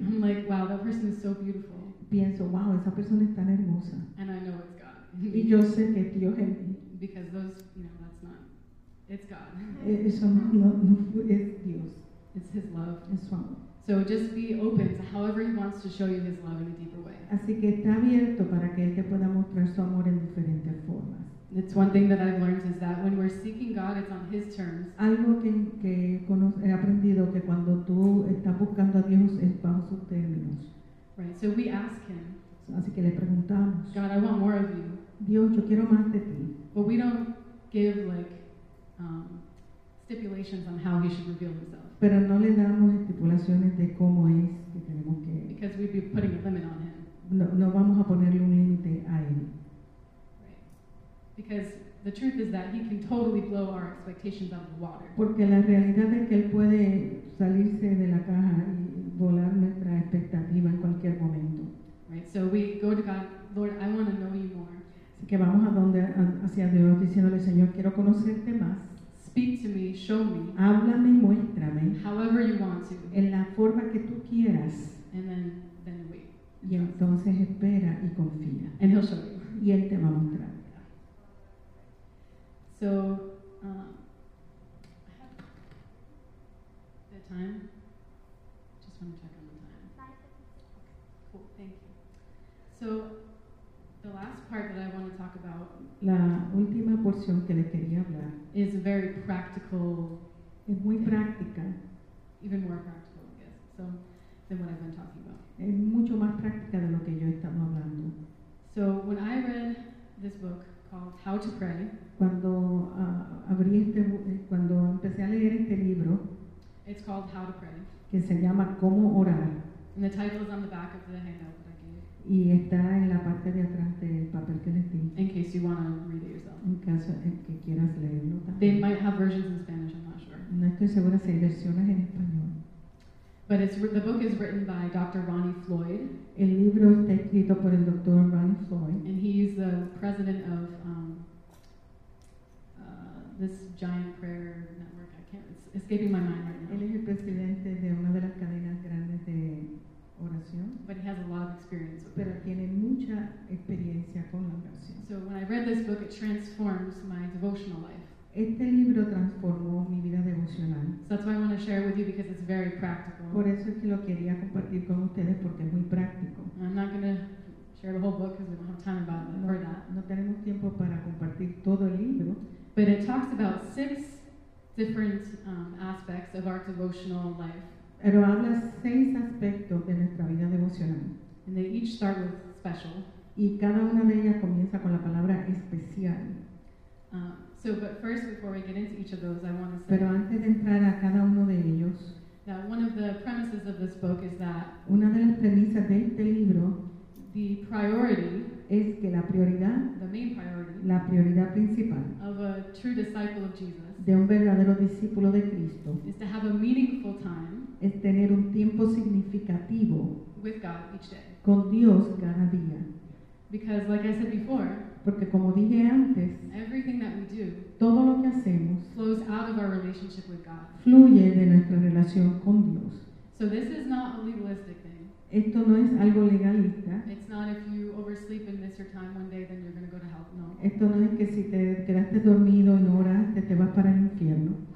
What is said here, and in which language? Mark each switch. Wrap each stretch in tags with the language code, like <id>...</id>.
<en>I'm like, wow, that person is so beautiful.</en> <es>Pienso, wow, esa persona es tan hermosa.</es> <en>And I know it's God.</en> <es>Y yo sé que Dios es.</es> <en>Because those, you know, that's not, it's God.</en> <es>Eso no es Dios.</es> <en>It's his love.</en> <es>Es su amor.</es> <en>So just be open to however he wants to show you his love in a deeper way.</en> <es>Así que está abierto para que él te pueda mostrar su amor en diferentes formas.</es> <en>It's one thing that I've learned is that when we're seeking God, it's on his terms.</en> <es>Algo que he aprendido que cuando tú estás buscando a Dios es bajo sus términos.</es> <en>Right, so we ask him.</en> <es>Así que le preguntamos.</es> <en>God, I want more of you.</en> <es>Dios, yo quiero más de ti.</es> <en>But we don't give like stipulations on how he should reveal himself.</en> <es>Pero no le damos estipulaciones de cómo es que tenemos que.</es> <en>Because we'd be putting a limit on him.</en> <es>No vamos a ponerle un límite a él.</es> <en>Right. Because the truth is that he can totally blow our expectations out of the water.</en> <es>Porque la realidad es que él puede salirse de la caja y volar nuestra expectativa en cualquier momento.</es> <en>Right. So we go to God, Lord, I want to know you more.</en> <es>Que vamos hacia Dios diciéndole, Señor, quiero conocerte más.</es> <en>Speak to me, show me.</en> <es>Háblame y muéstrame.</es> <en>However you want to.</en> <es>En la forma que tú quieras.</es> <en>And then wait.</en> <es>Y entonces espera y confía.</es> <en>And he'll show you.</en> <es>Y él te va a mostrar.</es> <en>So, the time. Just want to check on the time. Okay, cool, thank you. So, the last part that I want to talk about,</en> <es>la última porción que le quería hablar,</es> <en>is very practical.</en> <es>Es muy práctica.</es> <en>Even more practical, I guess, so, than what I've been talking about.</en> <es>Es mucho más práctica de lo que yo he estado hablando.</es> <en>So when I read this book called How to Pray,</en> <es>cuando empecé a leer este libro,</es> <en>it's called How to Pray,</en> <es>que se llama Cómo Orar.</es> <en>And the title is on the back of the handout.</en> <es>Y está en la parte de atrás del papel que les di.</es> <en>In case you want to read it yourself.</en> <es>En caso que quieras leerlo también.</es> <en>They might have versions in Spanish, I'm not sure.</en> <es>No estoy segura si hay versiones en español.</es> <en>But it's, the book is written by Dr. Ronnie Floyd.</en> <es>El libro está escrito por el Dr. Ronnie Floyd.</es> <en>And he's the president of this giant prayer network. I can't, it's escaping my mind right now.</en> <es>Él es el presidente de una de las cadenas grandes de oración.</es> <en>But he has a lot of experience with prayer.</en> <es>Pero tiene mucha experiencia con la oración.</es> <en>So when I read this book, it transforms my devotional life.</en> <es>Este libro transformó mi vida devocional.</es> <en>So that's why I want to share it with you because it's very practical.</en> <es>Por eso es que lo quería compartir con ustedes porque es muy práctico.</es> <en>I'm not going to share the whole book because we don't have time about it,</en> <es>no,</es> <en>for that.</en> <es>No tenemos tiempo para compartir todo el libro.</es> <en>But it talks about six different aspects of our devotional life.</en> <es>Pero habla seis aspectos de nuestra vida devocional.</es> <en>And they each start with special.</en> <es>Y cada una de ellas comienza con la palabra especial.</es> <en>So, but first, before we get into each of those, I want to say</en> <es>pero antes de entrar a cada uno de ellos,</es> <en>that one of the premises of this book is that</en> <es>una de las premisas de este libro,</es> <en>the priority</en> <es>es que la prioridad,</es> <en>the main priority,</en> <es>la prioridad principal</es> <en>of a true disciple of Jesus,</en> <es>de un verdadero discípulo de Cristo,</es> <en>is to have a meaningful time,</en> <es>es tener un tiempo significativo</es> <en>with God each day,</en> <es>con Dios cada día.</es> <en>Because, like I said before,</en> <es>porque como dije antes,</es> <en>everything that we do,</en> <es>todo lo que hacemos,</es> <en>flows out of our relationship with God,</en> <es>fluye de nuestra relación con Dios.</es> <en>So this is not a legalistic thing.</en> <es>Esto no es algo legalista.</es> <en>It's not if you oversleep and miss your time one day, then you're going to go to hell.</en> <es>No. Esto no es que si te quedaste dormido y no oraste, te vas para el infierno.</es>